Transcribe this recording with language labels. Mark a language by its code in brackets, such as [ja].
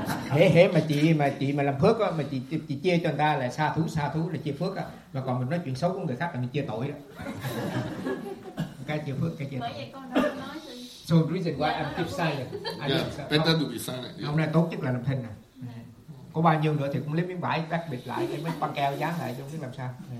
[vi] Hey, mà chị làm phước á, mà chị chia cho người ta là sa thú là chia phước á, mà còn mình nói chuyện xấu của người khác là mình chia tội đó. Cái chia phước, cái chia tội. [en] So the reason why I'm keep silent. Yeah, better to be silent. [vi] Hôm nay tốt nhất là làm thinh nè. Có bao nhiêu nữa thì cũng lấy miếng vải đắp bịt lại cái miếng băng keo dán lại cho biết làm sao.